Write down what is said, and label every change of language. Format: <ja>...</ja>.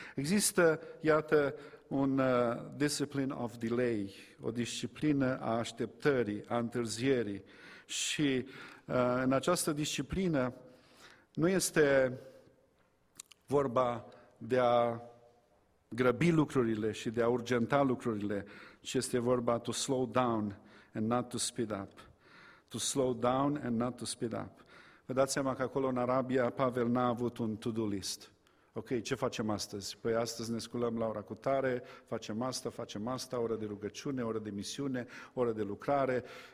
<ro>Există, iată, un</ro> <en>discipline of delay,</en> <ro>o disciplină a așteptării, a întârzierii. Și în această disciplină nu este vorba de a grăbi lucrurile și de a urgenta lucrurile, ci este vorba</ro> <en>to slow down and not to speed up. To slow down and not to speed up.</en> <ro>Vă dați seama că acolo în Arabia Pavel n-a avut un to-do list. Ok, ce facem astăzi? Păi astăzi ne sculăm la ora cutare, facem asta, oră de rugăciune, oră de misiune, oră de lucrare.</ro>